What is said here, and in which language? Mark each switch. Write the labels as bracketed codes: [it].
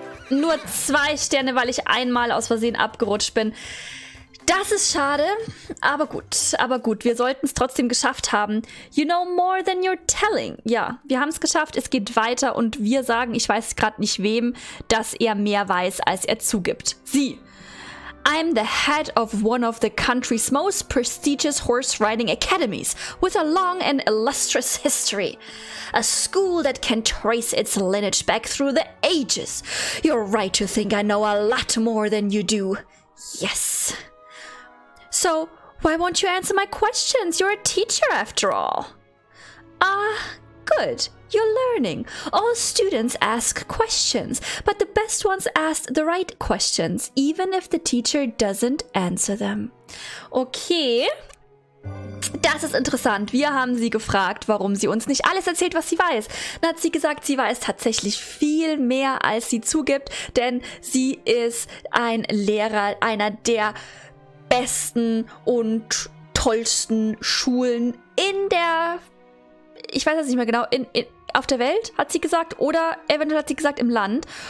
[de] Nur 2 Sterne, weil ich einmal aus Versehen abgerutscht bin. Das ist schade, aber gut, wir sollten es trotzdem geschafft haben. [en] You know more than you're telling. [de] Ja, wir haben es geschafft, es geht weiter und wir sagen, ich weiß gerade nicht wem, dass er mehr weiß, als er zugibt. Sie. [en] I'm the head of one of the country's most prestigious horse riding academies, with a long and illustrious history. A school that can trace its lineage back through the ages. You're right to think I know a lot more than you do. Yes. So, why won't you answer my questions? You're a teacher, after all. Ah, good. You're learning. All students ask questions, but the best ones ask the right questions, even if the teacher doesn't answer them. [de] Okay. Das ist interessant. Wir haben sie gefragt, warum sie uns nicht alles erzählt, was sie weiß. Dann hat sie gesagt, sie weiß tatsächlich viel mehr, als sie zugibt, denn sie ist ein Lehrer, einer der besten und tollsten Schulen in der, ich weiß es nicht mehr genau, in auf der Welt, hat sie gesagt, oder eventuell hat sie gesagt, im Land.